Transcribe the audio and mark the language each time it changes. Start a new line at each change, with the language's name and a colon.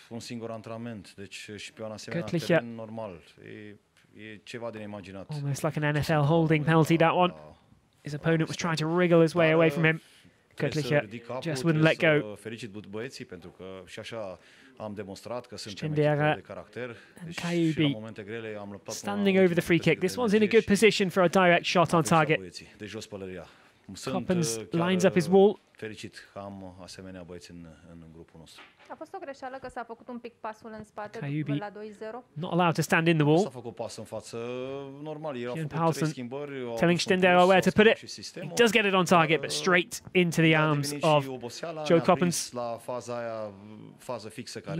Romanian: Un singur antrenament, deci și pe un asemenea teren normal. E ceva de neimaginat.
English: Almost like an NFL holding penalty, that one. His opponent was trying to wriggle his way away from him. Gutlicher just wouldn't let go.
Romanian: Felicit băieții pentru că și așa am demonstrat că suntem de caracter. Și în momente grele am luptat.
English: Standing over the free kick. This one's in a good position for a direct shot on target.
Romanian: De jos pălăria.
English: Coppens lines up his wall.
Romanian: Felicit că am asemenea băieți în grupul nostru. A fost o greșeală că s-a făcut un pic pasul în spate la 2-0.
English: Not allowed to stand in the wall.
Romanian: S-a făcut pas în față, normal, el a făcut trei schimbări.
English: Telling Stendero where to put it. He does get it on target, but straight into the arms of Joe Coppens.
Romanian: La faza aia, fază fixă care